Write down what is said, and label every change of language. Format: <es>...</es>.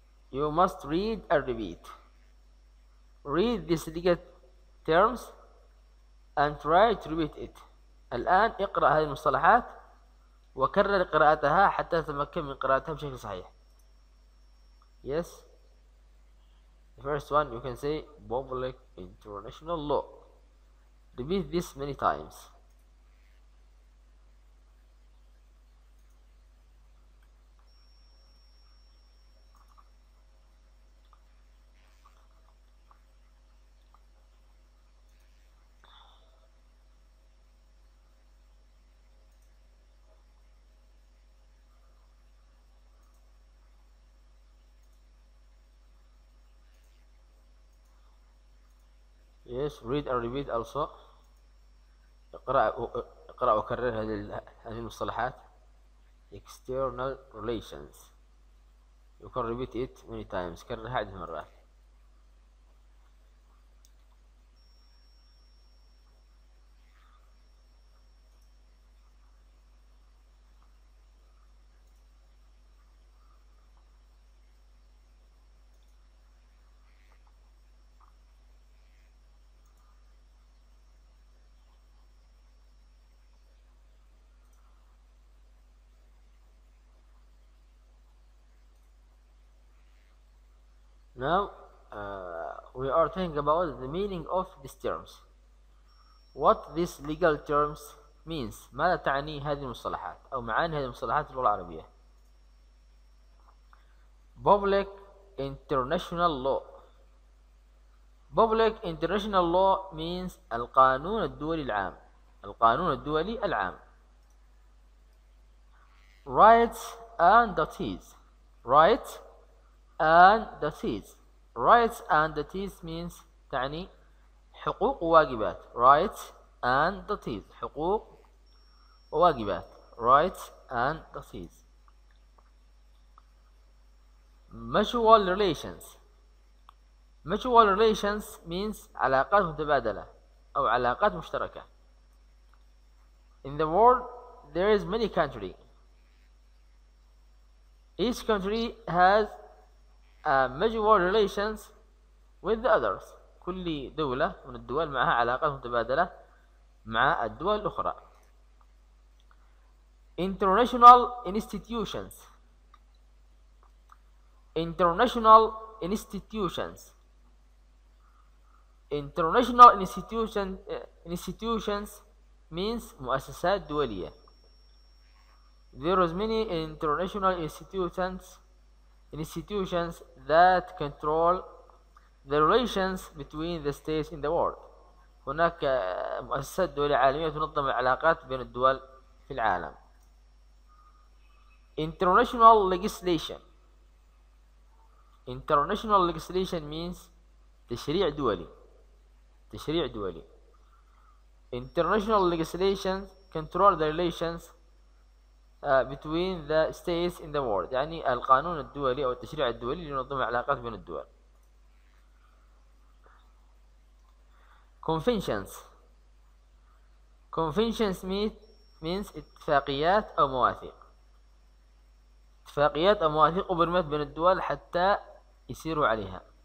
<en>You must read and repeat. Read these legal terms and try to repeat it.</en> <ar>الآن اقرأ هذه المصطلحات وكرر قراءتها حتى تتمكن من قراءتها بشكل صحيح.</ar> <en>Yes. The first one you can say public international law. Repeat this many times. Yes, read and repeat also.</en> <ar>اقرأ وكرر هذه المصطلحات.</ar> <en>External relations. You can repeat it many times.</en> <ar>كررها عدة مرات.</ar> <en>Now we are thinking about the meaning of these terms. What these legal terms means?</en> <ar>ماذا تعني هذه المصطلحات أو معاني هذه المصطلحات اللغة العربية؟</ar> <en>Public international law. Public international law means</en> <ar>القانون الدولي العام. القانون الدولي العام.</ar> <en>Rights and duties. Rights and duties. Rights and duties means</en> <ar>تعني حقوق وواجبات.</ar> <en>Rights and duties</en> <ar>حقوق وواجبات.</ar> <en>Rights and duties. Mutual relations. Mutual relations means</en> <ar>علاقات متبادلة أو علاقات مشتركة.</ar> <en>In the world there is many country. Each country has mutual relations with the others.</en> <ar>كل دولة من الدول معها علاقات متبادلة مع الدول الأخرى.</ar> <en>International institutions. International institutions. International institutions means</en> <ar>مؤسسات دولية.</ar> <en>There is many international institutions. Institutions that control the relations between the states in the world.</en> <ar>هناك مؤسسات دولية عالمية تنظم العلاقات بين الدول في العالم.</ar> <en>International legislation. International legislation means</en> <ar>تشريع دولي. تشريع دولي.</ar> <en>International legislation control the relations between the states in the world.</en> <ar>يعني القانون الدولي أو التشريع الدولي لينظم العلاقات بين الدول.</ar> <en>Conventions. Conventions means</en> <ar>اتفاقيات أو مواثيق. اتفاقيات أو مواثيق أبرمت بين الدول حتى يسيروا عليها.</ar>